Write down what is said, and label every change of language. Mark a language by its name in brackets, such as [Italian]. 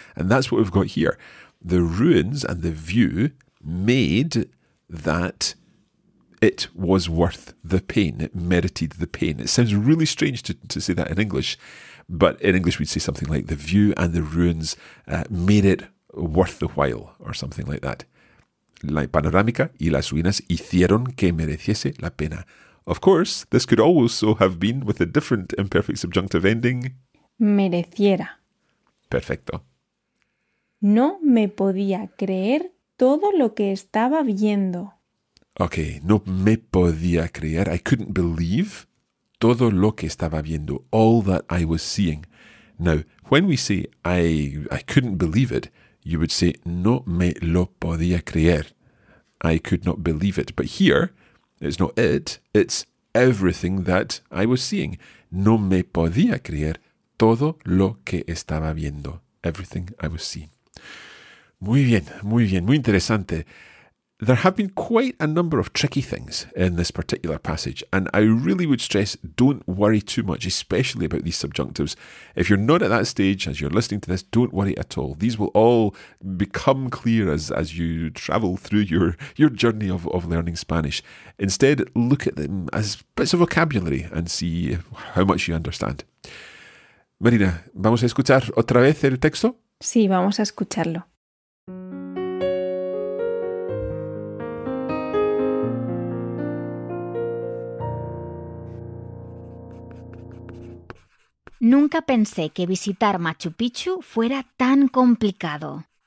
[English] And that's what we've got here. The ruins and the view made that it was worth the pain. It merited the pain. It sounds really strange to say that in English. But in English we'd say something like the view and the ruins made it worth the while, or something like that. [Spanish] La panorámica y las ruinas hicieron que mereciese la pena. [English] Of course, this could also have been with a different imperfect subjunctive ending. [Spanish] Mereciera. Perfecto. No me podía creer todo lo que estaba viendo. [English] Okay, [Spanish] no me podía creer. [English] I couldn't believe [Spanish] todo lo que estaba viendo, [English] all that I was seeing. Now, when we say I couldn't believe it, you would say, [Spanish] no me lo podía creer. [English] I could not believe it. But here, it's not it, it's everything that I was seeing. [Spanish] No me podía creer todo lo que estaba viendo. [English] Everything I was seeing. [Spanish] Muy bien, muy bien, muy interesante. [English] There have been quite a number of tricky things in this particular passage, and I really would stress don't worry too much, especially about these subjunctives. If you're not at that stage as you're listening to this, don't worry at all. These will all become clear as you travel through your journey of learning Spanish. Instead, look at them as bits of vocabulary and see how much you understand. [Spanish] Marina, ¿vamos a escuchar otra vez el texto? Sí, vamos a escucharlo. Nunca pensé que visitar Machu Picchu fuera tan complicado.